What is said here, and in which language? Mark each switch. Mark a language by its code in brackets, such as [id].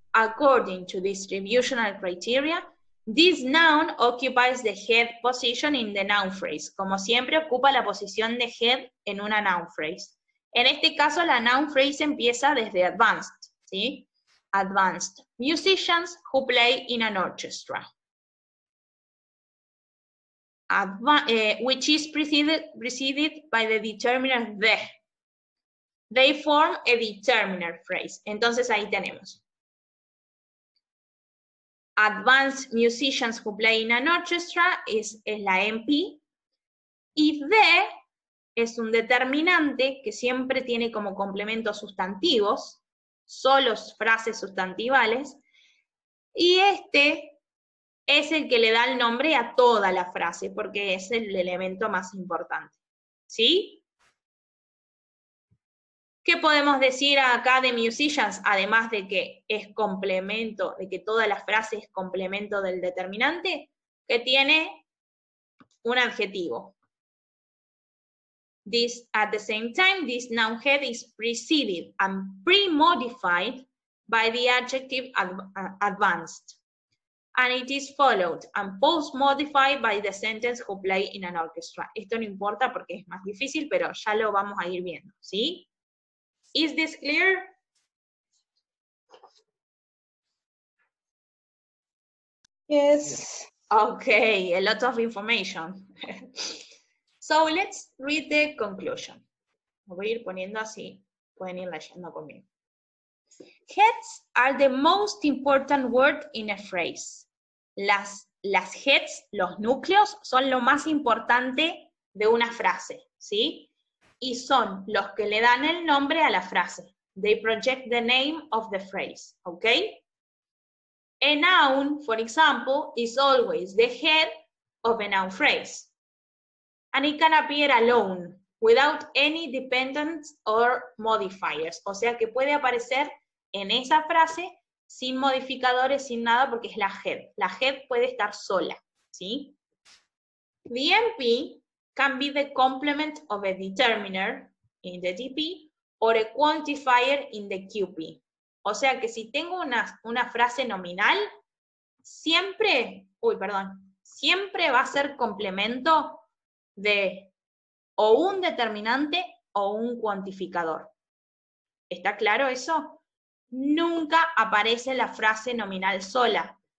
[en] According to distributional criteria, this noun occupies the head position in the noun phrase. [es] Como siempre, ocupa la posición de head en una noun phrase. En este caso, la noun phrase empieza desde advanced, ¿sí? [en] Advanced. Musicians who play in an orchestra. Which is preceded by the determiner the. They form a determiner phrase. [es] Entonces, ahí tenemos. [en] Advanced musicians who play in an orchestra [es] es la MP. Y the es un determinante que siempre tiene como complemento sustantivos, solo frases sustantivales. Y este es el que le da el nombre a toda la frase, porque es el elemento más importante. ¿Sí? ¿Qué podemos decir acá de musicians, además de que es complemento, de que toda la frase es complemento del determinante? Que tiene un adjetivo. [en] This, at the same time, this noun head is preceded and pre-modified by the adjective advanced. and it is followed and post-modified by the sentence who play in an orchestra. [es] Esto no importa porque es más difícil, pero ya lo vamos a ir viendo, ¿sí? [en] Is this clear? Yes. Okay, a lot of information. So let's read the conclusion. [es] Voy a ir poniendo así, pueden ir leyendo conmigo. [en] Heads are the most important word in a phrase. [es] Las heads, los núcleos, son lo más importante de una frase, ¿sí? Y son los que le dan el nombre a la frase. [en] They project the name of the phrase, ¿ok? A noun, for example, is always the head of a noun phrase. And it can appear alone, without any dependents or modifiers. [es] O sea que puede aparecer en esa frase sin modificadores, sin nada, porque es la head. La head puede estar sola, ¿sí? [en] The MP can be the complement of a determiner in the DP or a quantifier in the QP. [es] O sea que si tengo una frase nominal, siempre va a ser complemento de o un determinante o un cuantificador. ¿Está claro eso? Nunca aparece la frase nominal sola.